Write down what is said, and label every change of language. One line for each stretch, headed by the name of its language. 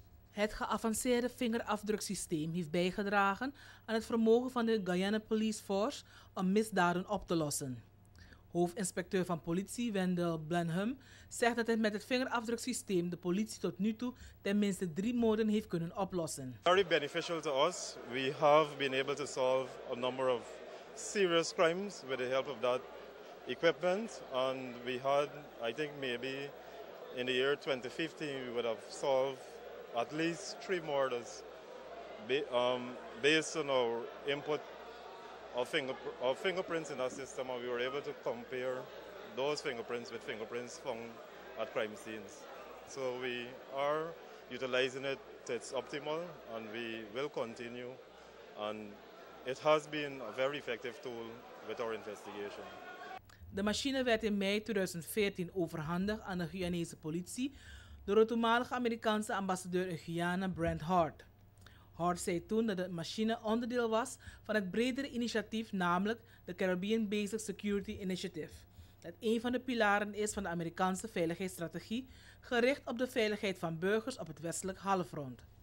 Dutch: Het geavanceerde vingerafdruksysteem heeft bijgedragen aan het vermogen van de Guyana Police Force om misdaden op te lossen. Hoofdinspecteur van politie Wendell Blenheim zegt dat het met het vingerafdruksysteem de politie tot nu toe tenminste 3 moorden heeft kunnen oplossen.
English: Very beneficial to us. We have been able to solve a number of serious crimes with the help of that equipment. And we had, I think maybe in the year 2015, we would have solved at least 3 murders based on our input of fingerprints in our system, and we were able to compare those fingerprints with fingerprints found at crime scenes. So we are utilizing it to its optimal, and we will continue, and it has been a very effective tool with our investigation.
Dutch: De machine werd in mei 2014 overhandigd aan de Guyanese politie door de toenmalige Amerikaanse ambassadeur in Guyana, Brent Hart. Hart zei toen dat de machine onderdeel was van het bredere initiatief, namelijk de Caribbean Basic Security Initiative, dat een van de pilaren is van de Amerikaanse veiligheidsstrategie, gericht op de veiligheid van burgers op het westelijk halfrond.